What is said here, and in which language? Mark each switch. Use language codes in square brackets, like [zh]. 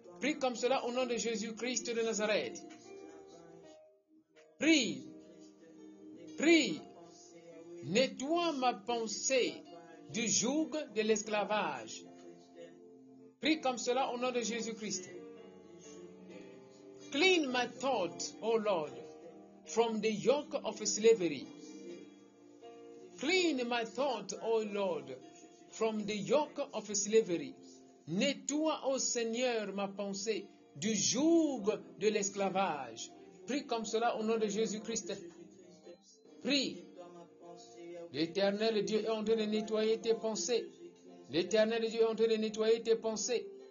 [fr] Prie comme cela au nom de Jésus-Christ de Nazareth. Prie. Nettoie ma pensée du joug de l'esclavage. Prie comme cela au nom de Jésus-Christ. [en] Clean my thought, O Lord, from the yoke of slavery. Clean my thought, O Lord, from the yoke of slavery. [fr] Nettoie, O Seigneur, ma pensée du joug de l'esclavage. Prie comme cela au nom de Jésus-Christ. Prie. L'Éternel Dieu est en train de nettoyer tes pensées. L'Éternel Dieu est en train de nettoyer tes pensées.